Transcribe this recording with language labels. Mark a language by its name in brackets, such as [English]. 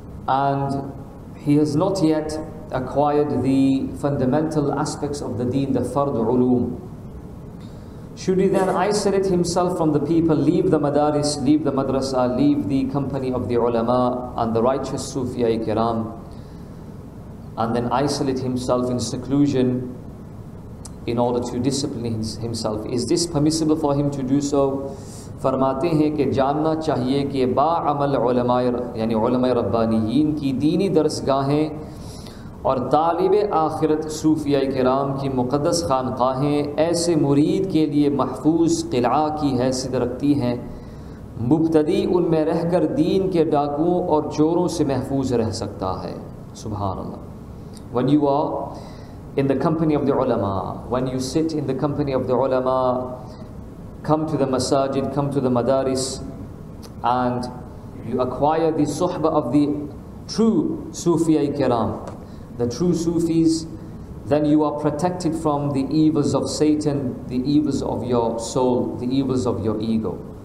[English] and he has not yet acquired the fundamental aspects of the deen, the fard ulum, should he then isolate himself from the people, leave the madaris, leave the madrasa, leave the company of the ulama and the righteous sufiya ikram, and then isolate himself in seclusion in order to discipline himself? Is this permissible for him to do so? [Urdu] فرماتے ہیں کہ جاننا چاہیے کہ با عمل علماء, یعنی علماء ربانیین کی دینی درسگاہیں اور طالب آخرت صوفیاء کرام کی مقدس خانقاہیں ایسے مرید کے لیے محفوظ قلعہ کی حیثیت رکھتی ہیں, مبتدی ان میں رہ کر دین کے ڈاکوؤں اور چوروں سے محفوظ رہ سکتا ہے. سبحان اللہ. [English] When you are in the company of the ulama, when you sit in the company of the ulama, come to the masajid, come to the madaris, and you acquire the suhbah of the true sufiya kiram, the true sufis, then you are protected from the evils of Satan, the evils of your soul, the evils of your ego.